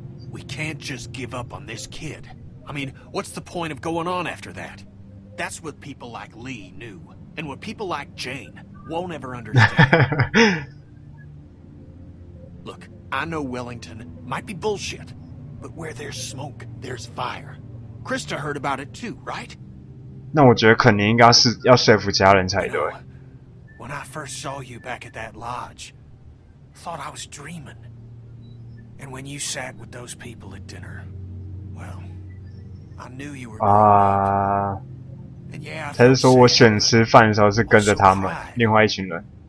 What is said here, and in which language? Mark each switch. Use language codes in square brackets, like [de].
[en] We can't just give up on this kid. I mean, what's the point of going on after that? That's what people like Lee knew, and what people like Jane. Won't ever understand. Look, I know Wellington might be bullshit, but where there's smoke, there's fire. Krista heard about it too, right? [zh] 那我觉得肯尼应该是要说服家人才对。 [en] When When I first saw you back at that lodge, I thought I was dreaming. And when you sat with those people at dinner, well, I knew you were And yeah, I thought you were going to be a good time.